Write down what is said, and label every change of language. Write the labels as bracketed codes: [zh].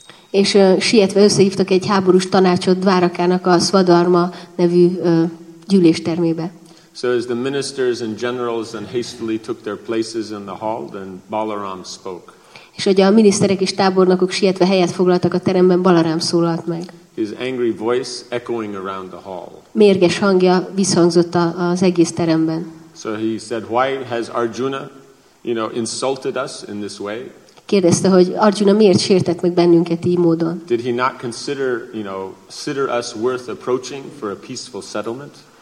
[hu] És sietve összehívtak egy háborús tanácsot Dvárakának a Svadharma nevű gyűléstermébe. [en] So as the ministers and generals then hastily took their places in the hall, then Balaram spoke. [hu] És hogy a miniszterek és tábornokok sietve helyet foglaltak a teremben, Balaram szólalt meg. [en] His angry voice echoing around the hall. [hu] Mérges hangja visszhangzott az egész teremben. [en] So he said, why has Arjuna, you know, insulted us in this way? [hu] Kérdezte, hogy Arjuna miért sértett meg bennünket így módon? [en] Did he not consider, you know, consider us worth approaching for a peaceful settlement?